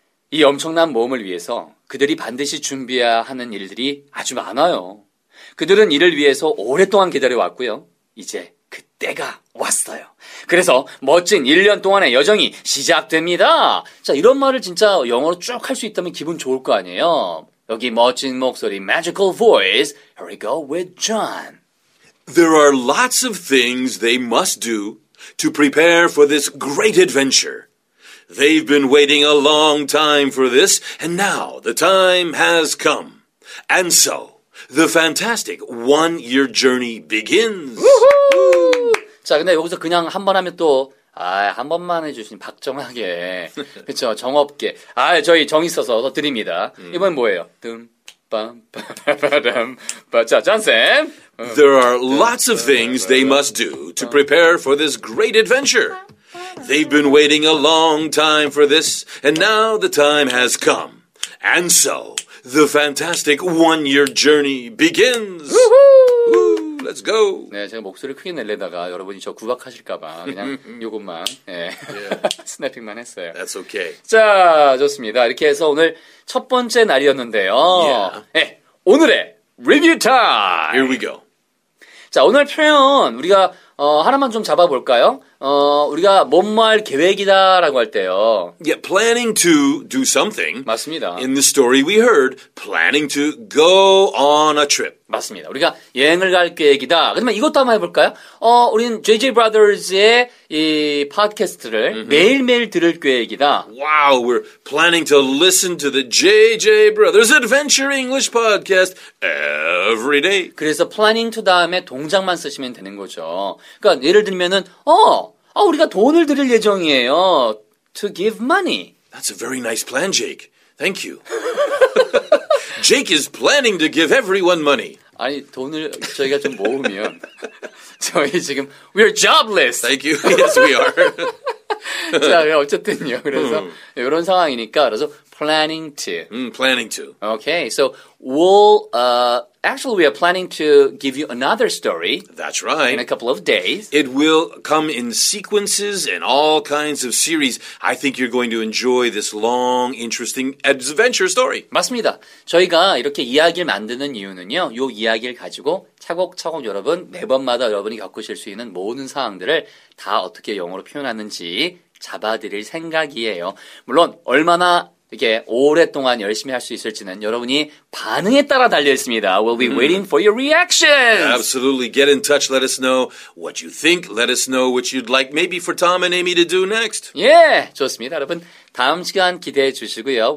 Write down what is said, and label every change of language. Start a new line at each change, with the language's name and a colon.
Korean: 이 엄청난 모험을 위해서 그들이 반드시 준비해야 하는 일들이 아주 많아요. 그들은 이를 위해서 오랫동안 기다려왔고요. 이제 그때가 왔어요. 그래서 멋진 1년 동안의 여정이 시작됩니다. 자, 이런 말을 진짜 영어로 쭉 할 수 있다면 기분 좋을 거 아니에요. 여기 멋진 목소리, magical voice.
English: Here we go with John. There are lots of things they must do to prepare for this great adventure. They've been waiting a long time for this, and now the time has come. And so, the fantastic one-year journey begins. Woo-hoo!
Korean: 자, 근데 여기서 그냥 한번 하면 또, 아, 한 번만 해주시니 박정하게. 그쵸, 정없게. 아, 저희 정 있어서 더 드립니다. 이번엔 뭐예요? 듬, 빰, 빠라밤. 자, 짠쌤.
English: There are lots of things they must do to prepare for this great adventure. They've been waiting a long time for this, and now the time has come. And so, the fantastic one-year journey begins. Let's go.
Korean: 네, 제가 목소리를 크게 내려다가 여러분이 저 구박하실까봐 그냥 요것만 네.
English: yeah.
Korean: 스냅핑만 했어요.
English: That's okay.
Korean: 자, 좋습니다. 이렇게 해서 오늘 첫 번째 날이었는데요.
English: Yeah.
Korean: 네, 오늘의 리뷰 타임.
English: Here we go.
Korean: 자, 오늘 표현 우리가 하나만 좀 잡아볼까요? 우리가 뭐뭐 할 계획이다라고 할 때요.
English: Yeah, planning to do something.
Korean: 맞습니다.
English: In the story we heard, planning to go on a trip.
Korean: 맞습니다. 우리가 여행을 갈 계획이다. 그러면 이것도 한번 해볼까요? 우린 JJ Brothers의 이 팟캐스트를 매일매일 들을 계획이다.
English: Wow, we're planning to listen to the JJ Brothers Adventure English Podcast every day.
Korean: 그래서 planning to 다음에 동작만 쓰시면 되는 거죠. 그러니까 예를 들면은, 우리가 돈을 드릴 예정이에요.
English: To give money. That's a very nice plan, Jake. Thank you. Jake is planning to give everyone money.
Korean: 아니, 돈을 저희가 좀 모으면 저희 지금
English: we're jobless. Thank you. Yes, we are.
Korean: 자, 어쨌든요. 그래서 이런 상황이니까 그래서 planning to. Planning to.
English: Okay, so we'll, actually we are planning to give you another story. That's right. In a couple of days. It will come in sequences and all kinds of series. I think you're going to enjoy this long, interesting adventure story.
Korean: 맞습니다. 저희가 이렇게 이야기를 만드는 이유는요. 요 이야기를 가지고 차곡차곡 여러분, 매번마다 여러분이 겪으실 수 있는 모든 상황들을 다 어떻게 영어로 표현하는지 잡아드릴 생각이에요. 물론 얼마나 이렇게 오랫동안 열심히 할 수 있을지는 여러분이 반응에 따라 달려 있습니다.
English: We'll be waiting for your reactions. Absolutely. Get in touch. Let us know what you think. Let us know what you'd like maybe for Tom and Amy to do next.
Korean: 예, 좋습니다. 여러분 다음 시간 기대해 주시고요.